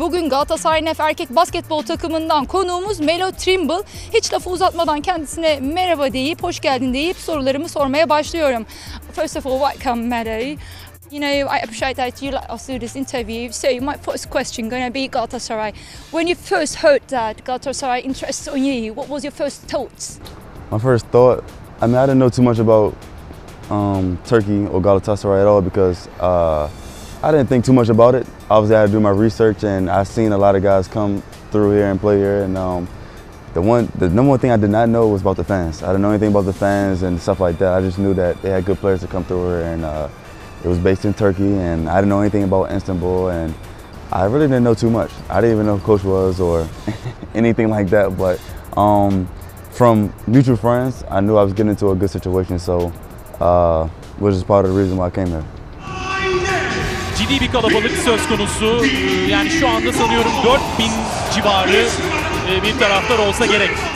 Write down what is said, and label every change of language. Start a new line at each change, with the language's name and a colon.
Turkish: Bugün Galatasaray'ın erkek basketbol takımından konuğumuz Melo Trimble. Hiç lafı uzatmadan kendisine merhaba deyip, hoş geldin deyip sorularımı sormaya başlıyorum.
English: First of all, welcome Melo. You know, I appreciate that you let us do this interview. So my first question gonna be Galatasaray. When you first heard that Galatasaray interested in you, what was your first thoughts? My first thought? I mean, I didn't know too much about Turkey or Galatasaray at all because I didn't think too much about it. Obviously, I had to do my research, and I seen a lot of guys come through here and play here. And the number one thing I did not know was about the fans. I didn't know anything about the fans and stuff like that. I just knew that they had good players to come through here, and it was based in Turkey. And I didn't know anything about Istanbul, and I really didn't know too much. I didn't even know who coach was or anything like that. But from mutual friends, I knew I was getting into a good situation, so which is part of the reason why I came here.
Turkish: Ciddi bir kalabalık söz konusu. Yani şu anda sanıyorum 4000 civarı bir taraftar olsa gerek.